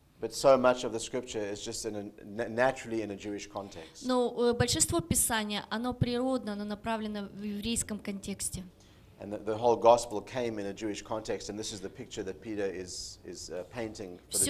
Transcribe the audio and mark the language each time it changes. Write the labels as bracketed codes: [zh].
[en] But so much of the scripture is just naturally in a Jewish context. [ru] Но большинство писания, оно природно, оно направлено в еврейском контексте. [en] And the whole gospel came in a Jewish context, and this is the picture that Peter is painting for the Jewish audience.